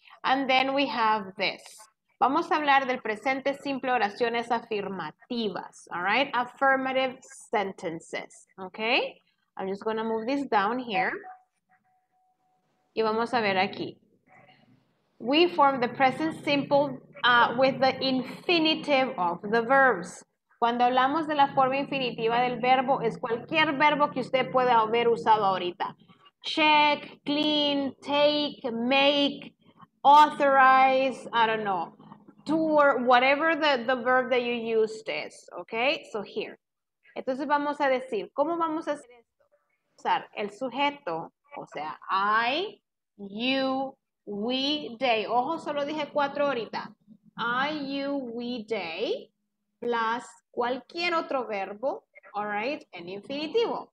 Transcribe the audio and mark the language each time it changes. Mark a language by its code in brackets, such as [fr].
[es] And then we have this. Vamos a hablar del presente simple, oraciones afirmativas, all right? [en] Affirmative sentences, okay? I'm just going to move this down here. Y vamos a ver aquí. We form the present simple with the infinitive of the verbs. [es] Cuando hablamos de la forma infinitiva del verbo, es cualquier verbo que usted pueda haber usado ahorita. [en] Check, clean, take, make, authorize, I don't know. Tour, whatever the verb that you used is, okay? So here. [es] Entonces vamos a decir, ¿cómo vamos a hacer esto? Usar el sujeto, o sea, I, you, we, they. Ojo, solo dije cuatro ahorita. I, you, we, they, plus cualquier otro verbo, all right, en infinitivo.